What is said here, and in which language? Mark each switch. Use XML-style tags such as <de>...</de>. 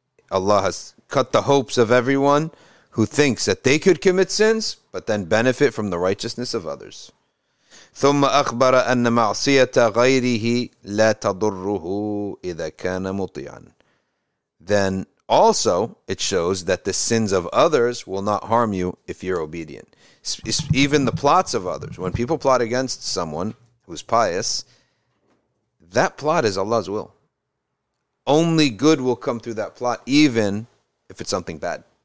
<en>Allah has cut the hopes of everyone who thinks that they could commit sins but then benefit from the righteousness of others.</en> <ar>ثم أخبر أن معصية غيره لا تضره إذا كان مطيعا.</ar> <en>Then also it shows that the sins of others will not harm you if you're obedient. Even the plots of others. When people plot against someone who's pious, that plot is Allah's will. Only good will come through that plot, even if it's something bad.</en>